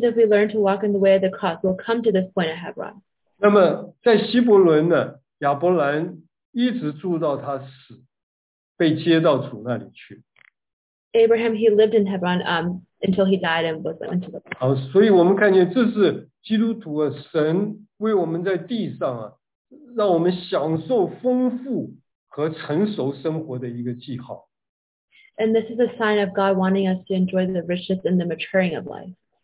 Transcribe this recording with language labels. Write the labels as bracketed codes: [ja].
[en] As Christians, if we learn to walk in the way of the cross, we'll come to this point at Hebron. [zh] 那么在希伯伦呢，亚伯兰一直住到他死，被接到主那里去。Abraham, [en] he lived in Hebron until he died and was went to the cross. [zh] 好，所以我们看见这是基督徒啊，神。为我们在地上，让我们享受丰富和成熟生活的一个记号。 [en] And this is a sign of God wanting us to enjoy the richness and the maturing of life.